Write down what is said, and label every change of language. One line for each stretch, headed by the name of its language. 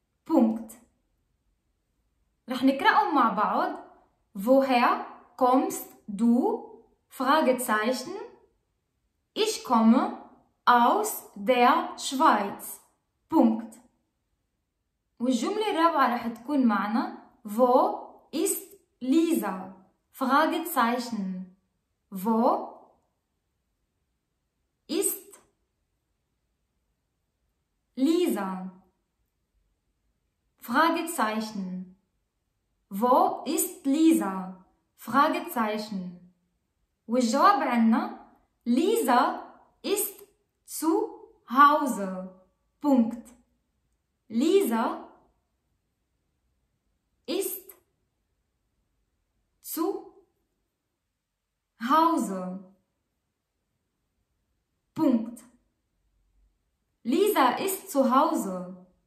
German: Punkt.
Arabic: رح نقرأهم مع بعض.
German: Woher kommst du? Fragezeichen. Ich komme aus der Schweiz. Punkt.
Arabic: والجملة الرابعة رح تكون معنا
German: Wo ist Lisa? Fragezeichen. Wo ist Lisa? Fragezeichen. Wo ist Lisa? Fragezeichen.
Arabic: والجواب عندنا
German: ليزا ist zu Hause. Punkt. ليزا ist zu Hause. Punkt. ليزا ist zu Hause.